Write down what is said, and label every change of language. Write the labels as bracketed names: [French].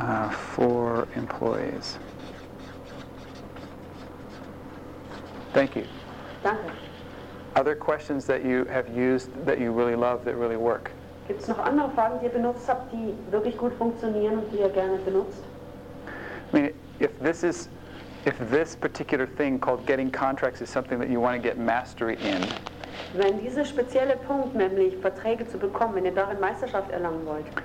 [English] For employees. Thank you. [German] Danke. [English] Other questions that you have used that you really love that really work? [German] Gibt es noch andere Fragen, die ihr benutzt habt, die wirklich gut funktionieren und die ihr gerne benutzt? [English] I mean, if this particular thing called getting contracts is something that you want to get mastery in. [German] Wenn dieser spezielle Punkt, nämlich Verträge zu bekommen, wenn ihr darin Meisterschaft erlangen wollt.